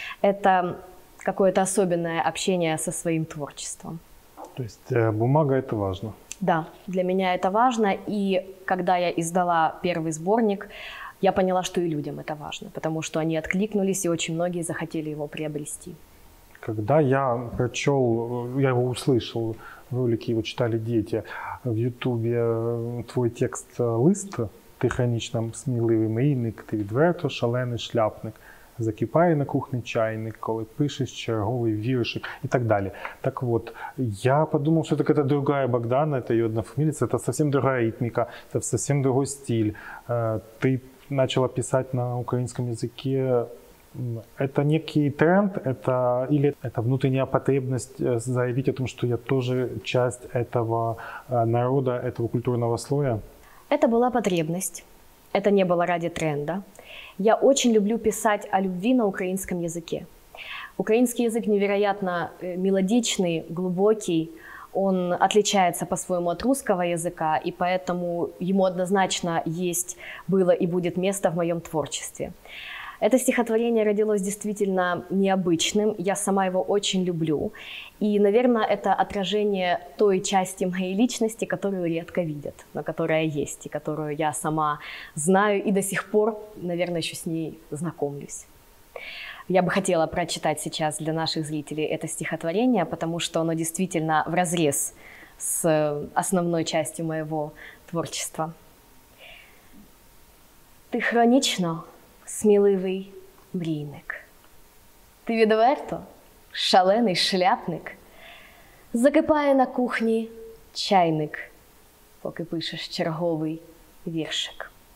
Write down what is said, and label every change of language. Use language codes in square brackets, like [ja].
[ru] Это какое-то особенное общение со своим творчеством. То есть бумага — это важно? Да, для меня это важно. И когда я издала первый сборник, я поняла, что и людям это важно, потому что они откликнулись, и очень многие захотели его приобрести. Когда я прочел, я его услышал, ролики его читали дети, в Ютубе твой текст «Лист», [uk] ти хронічно сміливий мийник, ти відверто шалений шляпник, закипає на кухні чайник, коли пишеш черговий віршик і так далі. Так от, я подумав, що так, це другая Богдана, це її одна фамілія, це зовсім друга ритміка, це зовсім другий стиль. [ru] Ти начала писать на украинском языке. Это некий тренд, это, или это внутренняя потребность заявить о том, что я тоже часть этого народа, этого культурного слоя? Это была потребность. Это не было ради тренда. Я очень люблю писать о любви на украинском языке. Украинский язык невероятно мелодичный, глубокий. Он отличается по-своему от русского языка, и поэтому ему однозначно есть, было и будет место в моем творчестве. Это стихотворение родилось действительно необычным, я сама его очень люблю. И, наверное, это отражение той части моей личности, которую редко видят, но которая есть, и которую я сама знаю, и до сих пор, наверное, еще с ней знакомлюсь. Я бы хотела прочитать сейчас для наших зрителей это стихотворение, потому что оно действительно вразрез с основной частью моего творчества. [uk] Ти хронічно сміливий мрійник. Ти відверто шалений шляпник. Закипає на кухні чайник, поки пишеш черговий віршик.